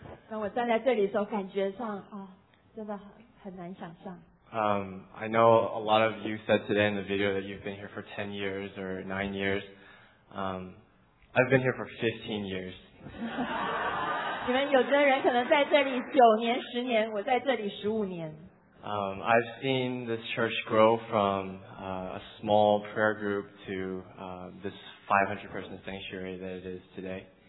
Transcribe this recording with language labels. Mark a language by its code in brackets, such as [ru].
[zh] 当我站在这里的时候，感觉上啊，真的很难想象。 [en] I know a lot of you said today in the video that you've been here for 10 years or 9 years. I've been here for 15 years. [zh] 你们有的人可能在这里9年、10年，我在这里15年。 [en] I've seen this church grow from a small prayer group to this 500-person sanctuary that it is today.